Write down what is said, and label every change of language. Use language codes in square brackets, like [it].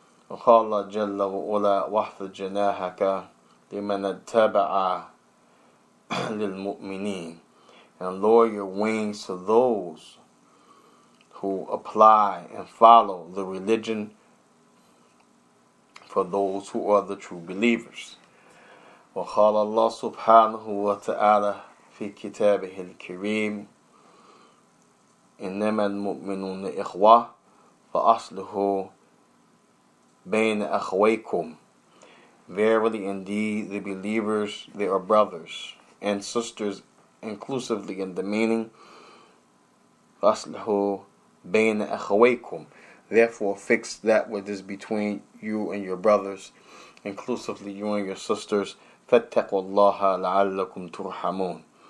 [ar] وَقَالَ اللَّهُ جَلَّ وَعُلَى وَحْفَظْ جَنَاحَكَ لِمَنَ اتَّبَعَ لِلْمُؤْمِنِينَ, [en] and lower your wings to those who apply and follow the religion for those who are the true believers. [ar] وقال الله سبحانه وتعالى في كتابه الكريم إنما المؤمنون إخوة فأصلحوا بين أخويكم. [en] Verily indeed the believers, they are brothers and sisters inclusively in the meaning. [ar] فأصلحوا بين أخويكم, [en] therefore fix that which is between you and your brothers, inclusively you and your sisters. [ar] فاتقوا الله لعلكم ترحمون.